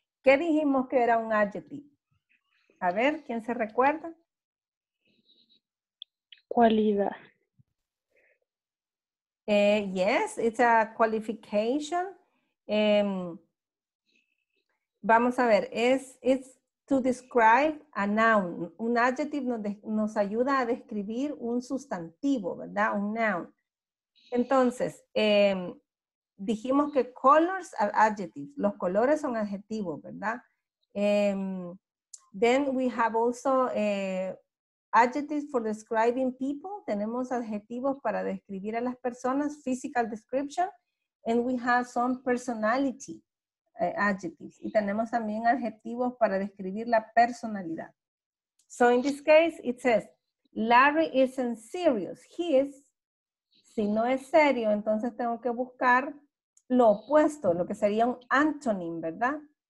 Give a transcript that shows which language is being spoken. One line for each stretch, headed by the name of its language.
Spanish: ¿Qué dijimos que era un adjective? A ver, ¿quién se recuerda? Cualidad.
English: Yes, it's a qualification.
Spanish: Vamos a ver,
English: it's to describe a noun.
Spanish: Un adjective nos ayuda a describir un sustantivo, ¿verdad? Un noun. Entonces, dijimos que
English: colors are adjectives.
Spanish: Los colores son adjetivos, ¿verdad?
English: Then we have also adjectives for describing people.
Spanish: Tenemos adjetivos para describir a las personas,
English: physical description. And we have some personality adjectives.
Spanish: Y tenemos también adjetivos para describir la personalidad.
English: So in this case, it says, Larry isn't serious. He is.
Spanish: Si no es serio, entonces tengo que buscar lo opuesto, lo que sería un antonym, ¿verdad?